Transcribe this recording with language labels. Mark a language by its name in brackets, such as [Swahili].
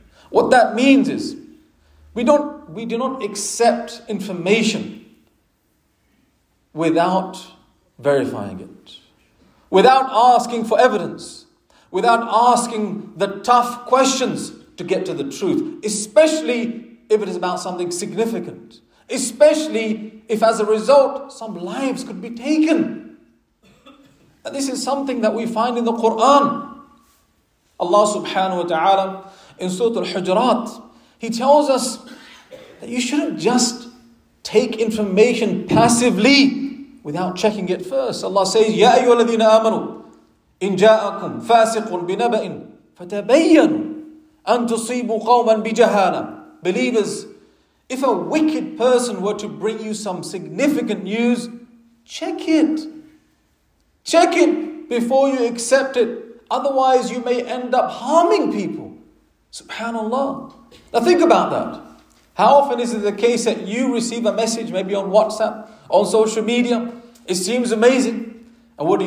[English] What that means is, we do not accept information without verifying it, without asking for evidence, without asking the tough questions to get to the truth, especially if it is about something significant, especially if as a result some lives could be taken. And this is something that we find in the Quran. Allah subhanahu wa ta'ala in Surah Al-Hujurat, He tells us that you shouldn't just take information passively without checking it first. Allah says, [Arabic] يَا أَيُّهَا الَّذِينَ آمَنُوا إِن جَاءَكُمْ فَاسِقٌ بِنَبَئٍ فَتَبَيَّنُوا أَن تُصِيبُوا قَوْمًا بِجَهَالَةٍ. [English] Believers, if a wicked person were to bring you some significant news, check it. Check it before you accept it. Otherwise, you may end up harming people. Subhanallah. Now think about that. How often is it the case that you receive a message, maybe on WhatsApp, on social media, it seems amazing, and what do?